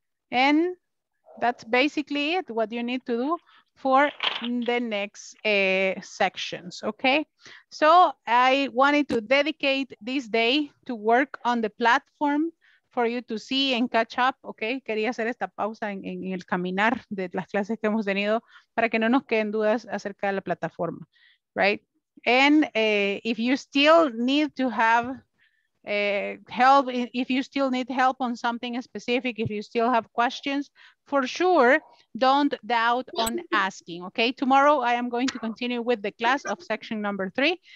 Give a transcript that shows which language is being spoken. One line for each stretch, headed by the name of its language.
English: And that's basically it, what you need to do for the next sections, okay? So I wanted to dedicate this day to work on the platform for you to see and catch up, okay?
Spanish: Quería hacer esta pausa en el caminar de las clases que hemos tenido para que no nos queden dudas acerca de la plataforma, right?
English: And if you still need to have help, if you still need help on something specific, if you still have questions, for sure, don't doubt on asking, okay? Tomorrow, I am going to continue with the class of section number 3.